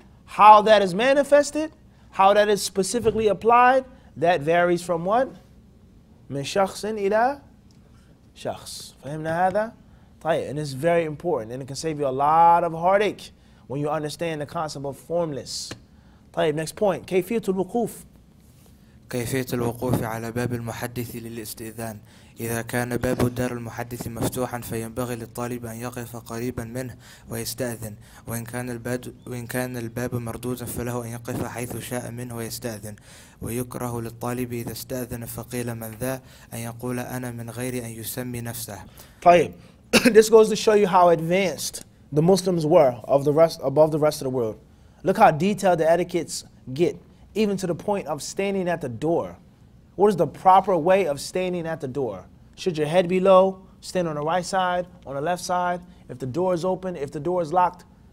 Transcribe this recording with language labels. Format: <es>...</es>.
<en>How that is manifested, how that is specifically applied, that varies from what?</en> <ar>من شخص إلى شخص. فهمنا هذا؟ طيب.</ar> <en>And it's very important, and it can save you a lot of heartache when you understand the concept of formless. طيب, next point.</en> <ar>كيفية الوقوف. كيفية الوقوف على باب المحدث للاستئذان. إذا كان باب دار المحدث مفتوحا فينبغي للطالب أن يقف قريبا منه ويستأذن وإن كان الباب مردودا فله أن يقف حيث شاء منه ويستأذن ويكره للطالب إذا استأذن فقيل من ذا أن يقول أنا من غير أن يسمي نفسه. طيب.</ar> <en>This goes to show you how advanced the Muslims were above the rest of the world. Look how detailed the etiquettes get, even to the point of standing at the door. What is the proper way of standing at the door? Should your head be low, stand on the right side, on the left side, if the door is open, if the door is locked?</en>